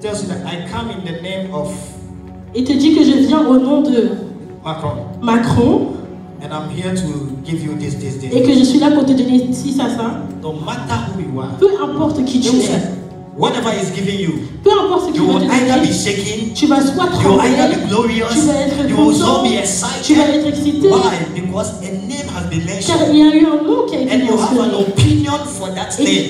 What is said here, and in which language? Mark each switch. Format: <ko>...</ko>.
<en>tells you that I come in the name of,</en> <fr>et te dit que je viens au nom de</fr> <en>Macron, and I'm here to give you this,</en> <fr>et que je suis là pour te donner ci, ça, ça.</fr> <en>No matter who you are,</en> <fr>peu importe qui tu es,</fr> <en>whatever he's giving you,</en> <fr>peu importe ce qu'il</fr> <en>you</en> <fr>va te donner,</fr> <en>either be shaking,</en> <fr>tu vas soit trembler,</fr> <en>you will either be glorious,</en> <fr>tu vas être</fr> <en>you will be excited,</en> <fr>tu vas être excité.</fr> <en>Why? Because a name has been mentioned.</en> <fr>Car il y a eu un mot qui a été</fr> <en>and you have an opinion for that name.</en>